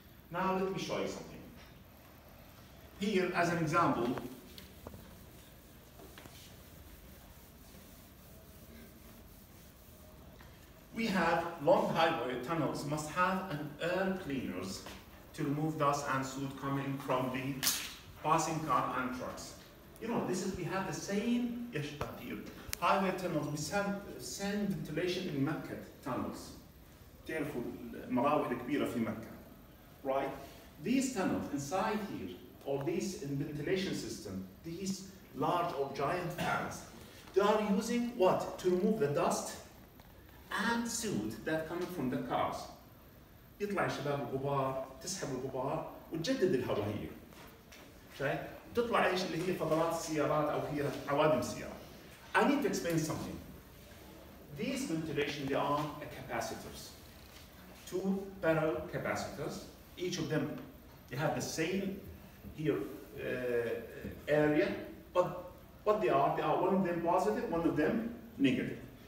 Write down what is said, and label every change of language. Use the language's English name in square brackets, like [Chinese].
[English] Now let me show you something. Here, as an example, we have long highway tunnels must have an air cleaners to remove dust and soot coming from the passing car and trucks. You know, this is, we have the same highway tunnels. We send ventilation in Mecca tunnels. [Arabic] تعرفوا المراوح الكبيرة في مكة. [English] Right? These tunnels inside here, or these in ventilation system, these large or giant fans, they are using what? To remove the dust and soot that coming from the cars. [Arabic] يطلع الشباب الغبار، تسحب الغبار، وتجدد الهواء هي. شايف؟ تطلع ايش اللي هي فضلات السيارات او هي عوادم السيارات. [English] I need to explain something. These ventilation, they are capacitors. Two parallel capacitors. Each of them, they have the same here area, but what they are one of them positive, one of them negative.